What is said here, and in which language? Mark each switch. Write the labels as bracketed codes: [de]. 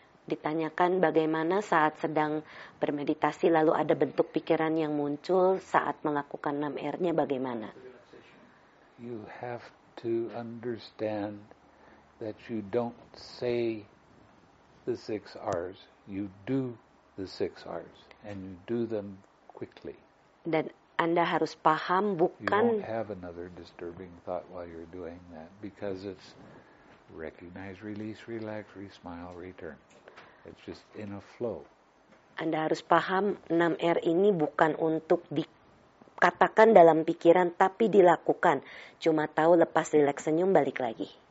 [id] Ditanyakan bagaimana saat sedang bermeditasi lalu ada bentuk pikiran yang muncul saat melakukan 6R-nya bagaimana? [en] You have to understand that you don't say the 6 R's, you do the 6 R's and you do them quickly. [id] Dan Anda harus paham bukan. [en] You won't have another disturbing thought while you're doing that because it's recognize, release, relax, re-smile, return. It's just in a flow. [id] Anda harus paham 6R ini bukan untuk dikatakan dalam pikiran tapi dilakukan. Cuma tahu lepas, relax, senyum, balik lagi.